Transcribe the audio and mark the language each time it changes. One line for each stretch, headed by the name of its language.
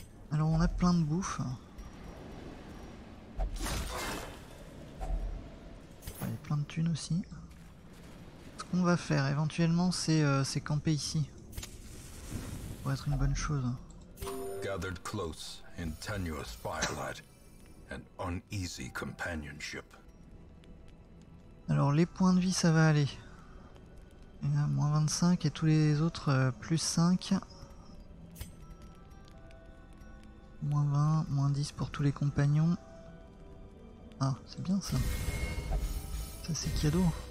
French: Alors on a plein de bouffe. Il y a plein de thunes aussi. Ce qu'on va faire éventuellement c'est camper ici. Ça pourrait être une bonne chose.
English: Gathered close in tenuous firelight and uneasy companionship.
French: Alors les points de vie ça va aller. Il y a moins 25 et tous les autres plus 5. Moins 20, moins 10 pour tous les compagnons. Ah c'est bien ça. Ça c'est cadeau.